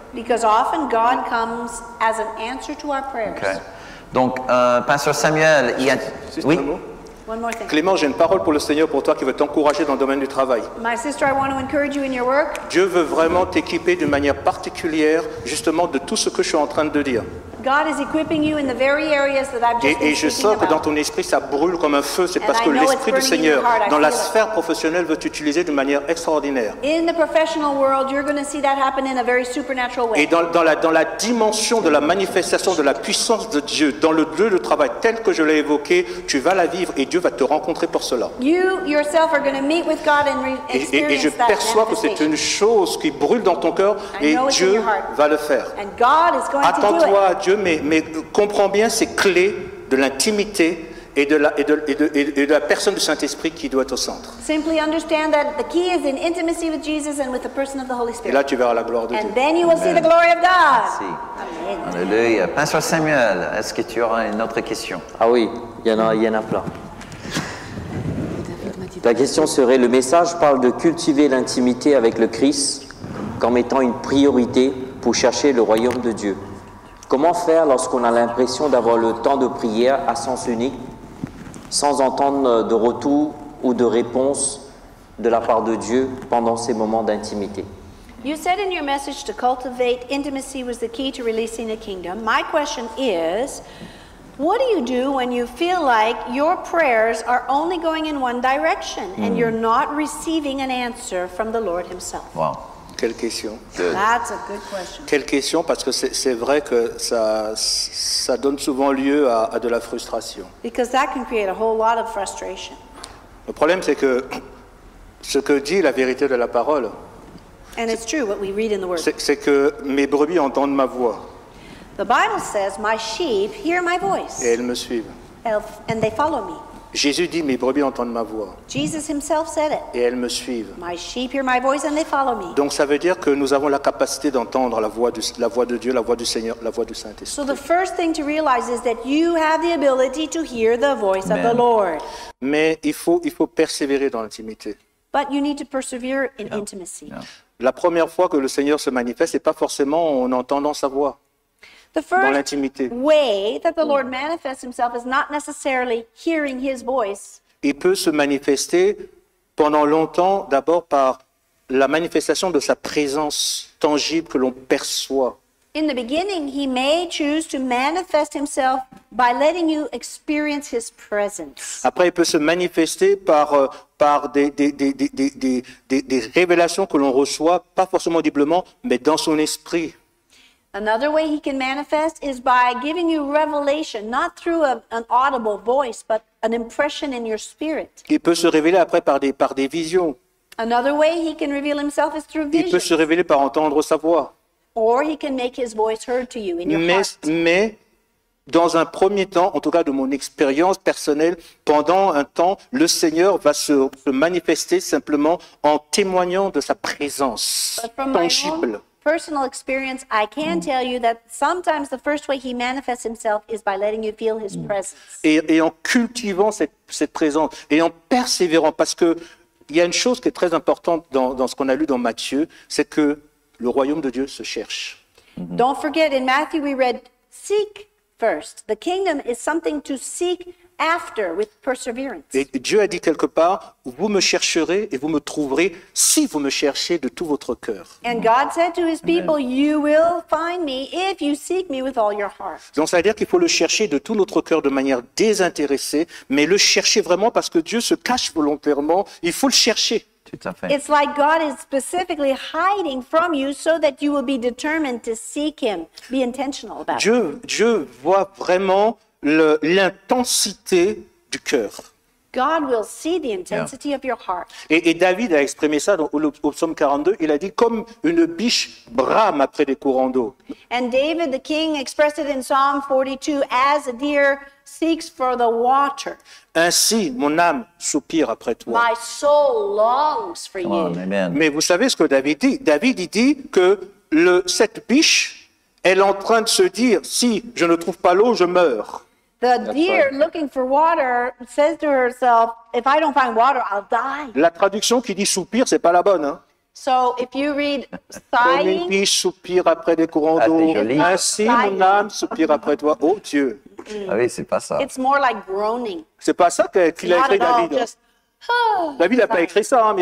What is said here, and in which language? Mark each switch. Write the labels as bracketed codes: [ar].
[en] Because often God comes as an answer to our prayers. [fr] Okay. Donc, Pasteur Samuel, il y a... Oui? [en] One more thing. [fr] Clément, j'ai une parole pour le Seigneur pour toi qui veut t'encourager dans le domaine du travail. [en] My sister, I want to encourage you in your work. [fr] Dieu veut vraiment t'équiper d'une manière particulière, justement, de tout ce que je suis en train de dire. [en] God is equipping you in the very areas that I've just [fr] Et je sens que dans ton esprit, ça brûle comme un feu. C'est [en] And [fr] parce [en] I [fr] que l'Esprit du Seigneur, dans la sphère professionnelle, veut t'utiliser d'une manière extraordinaire. [en] In the professional world, you're going to see that happen in a very supernatural way. [fr] Et dans la dimension de la manifestation de la puissance de Dieu, dans le lieu de travail tel que je l'ai évoqué, tu vas la vivre et Dieu va te rencontrer pour cela. [en] You yourself are going to meet with God and experience that manifestation. [fr] Et je perçois que c'est une chose qui brûle dans ton cœur et Dieu va le faire. [en] And God is going [fr] Attends-toi [en] to do it. [fr] Dieu, mais comprends bien ces clés de l'intimité et de la personne du Saint-Esprit qui doit être au centre. [en] Simply understand that the key is in intimacy with Jesus and with the person of the Holy Spirit. [fr] Et là, tu verras la gloire de [en] and [fr] Dieu. [en] And then you will Amen. See the glory of God. [fr] Amen. Alléluia. Pasteur Samuel, est-ce que tu auras une autre question? Ah oui, il y en a plein. La question serait, le message parle de cultiver l'intimité avec le Christ comme étant une priorité pour chercher le royaume de Dieu. Comment faire lorsqu'on a l'impression d'avoir le temps de prière à sens unique, sans entendre de retour ou de réponse de la part de Dieu pendant ces moments d'intimité? [en] You said in your message to cultivate intimacy was the key to releasing the kingdom. My question is, what do you do when you feel like your prayers are only going in one direction and you're not receiving an answer from the Lord himself? Wow. [fr] Quelle question. [en] That's a good question. [fr] Quelle question, parce que c'est vrai que ça donne souvent lieu à de la frustration. [en] Because that can create a whole lot of frustration. [fr] Le problème, c'est que ce que dit la vérité de la parole, [en] And it's true what we read in the word. [fr] C'est que mes brebis entendent ma voix. [en] The Bible says, my sheep hear my voice. [fr] Et elles me suivent. [en] And they follow me. [fr] Jésus dit, mes brebis entendent ma voix. [en] Jesus himself said it. [fr] Et elles me suivent. [en] My sheep hear my voice and they follow me. [fr] Donc ça veut dire que nous avons la capacité d'entendre la voix de Dieu, la voix du Seigneur, la voix du Saint-Esprit. [en] So the first thing to realize is that you have the ability to hear the voice of the Lord. [fr] Mais il faut persévérer dans l'intimité. [en] But you need to persevere in intimacy. [fr] La première fois que le Seigneur se manifeste, c'est pas forcément en entendant sa voix. [en] The first way that the Lord manifests himself is not necessarily hearing his voice. [fr] Il peut se manifester pendant longtemps d'abord par la manifestation de sa présence tangible que l'on perçoit. [en] In the beginning, he may choose to manifest himself by letting you experience his presence. [fr] Après, il peut se manifester par des révélations que l'on reçoit, pas forcément audiblement, mais dans son esprit. [en] Another way he can manifest is by giving you revelation, not through an audible voice, but an impression in your spirit. [fr] Il peut se révéler après par des visions. [en] Another way he can reveal himself is through vision. [fr] Il peut se révéler par entendre sa voix. [en] Or he can make his voice heard to you in your [fr] mais, [en] heart. [fr] Mais dans un premier temps, en tout cas de mon expérience personnelle, pendant un temps, le Seigneur va se manifester simplement en témoignant de sa présence tangible. [en] Personal experience, I can tell you that sometimes the first way he manifests himself is by letting you feel his presence. [fr] Et en cultivant cette présence, et en persévérant, parce que il y a une chose qui est très importante dans ce qu'on a lu dans Matthieu, c'est que le royaume de Dieu se cherche. [en] Don't forget, in Matthew we read, seek first. The kingdom is something to seek after with perseverance. [fr] Et Dieu a dit quelque part, vous me chercherez et vous me trouverez si vous me cherchez de tout votre cœur. [en] And God said to his people, you will find me if you seek me with all your heart. [fr] Donc ça veut dire qu'il faut le chercher de tout notre cœur de manière désintéressée, mais le chercher vraiment parce que Dieu se cache volontairement, il faut le chercher. [en] It's like God is specifically hiding from you so that you will be determined to seek him, be intentional about it. [fr] Dieu voit vraiment l'intensité du cœur. [en] God will see the intensity of your heart. [fr] Et David a exprimé ça dans au psaume 42, il a dit comme une biche brame après des courants d'eau. [en] And David the king expressed it in Psalm 42 as a deer seeks for the water. [fr] Ainsi mon âme soupire après toi. [en] My soul longs for Come you. On, amen. [fr] Mais vous savez ce que David dit? David il dit que cette biche elle est en train de se dire si je ne trouve pas l'eau, je meurs. [en] The deer looking for water says to herself, if I don't find water, I'll die. [fr] La traduction qui dit soupir, c'est pas la bonne, hein. [en] So if you read sighing, [fr] comme une biche soupire après des courants d'eau, ainsi mon âme soupire après toi, ô oh, Dieu. Ah oui, c'est pas ça. [en] It's more like groaning. [fr] C'est pas ça qu'il a écrit David. [en] Just, [fr] David n'a pas écrit ça, hein, mes